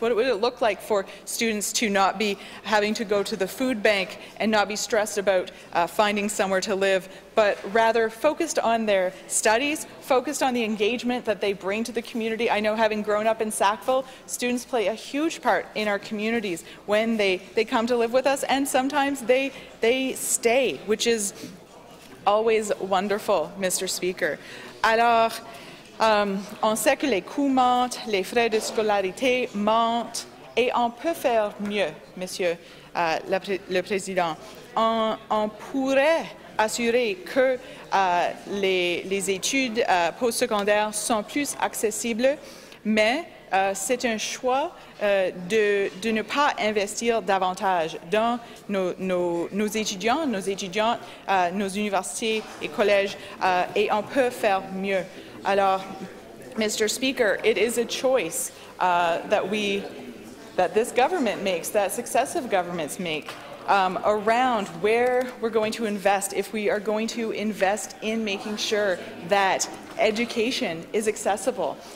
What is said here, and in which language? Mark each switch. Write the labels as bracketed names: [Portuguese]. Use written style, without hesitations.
[English] What would it look like for students to not be having to go to the food bank and not be stressed about finding somewhere to live, but rather focused on their studies, focused on the engagement that they bring to the community? I know, having grown up in Sackville, students students play a huge part in our communities when they come to live with us, and sometimes they stay, which is always wonderful, Mr. Speaker. [French] Alors, on sait que les coûts mentent, les frais de scolarité mentent, et on peut faire mieux, Monsieur le Président. On pourrait assurer que les études postsecondaires sont plus accessibles, mais c'est un choix de ne pas investir davantage dans nos étudiants, nos étudiantes, nos universités et collèges, et on peut faire mieux. Alors, [English] Mr. Speaker, it is a choice that this government makes, that successive governments make, around where we're going to invest, if we are going to invest in making sure that education is accessible.